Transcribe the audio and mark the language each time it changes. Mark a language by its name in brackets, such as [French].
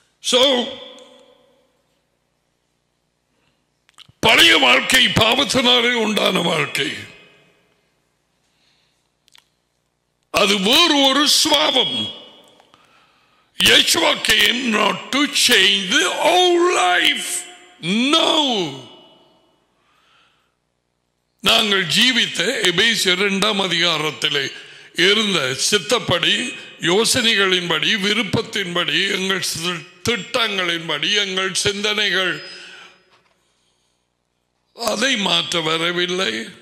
[Tamil] So பழைய வாழ்க்கை பாவத்தினாலே உண்டான வாழ்க்கை, அது வேறு ஒரு சுவாபம். [English] Yeshua came not to change the old life. No. [Tamil] நாங்கள் ஜீவித்த எபேசியர் 2 அதிகாரத்திலே இருந்த சித்தப்படி, யோசனைகளின்படி, விருப்பத்தின்படி, எங்கள் திட்டங்களின்படி, எங்கள் சிந்தனைகள் அதை மாற்ற வரவில்லை.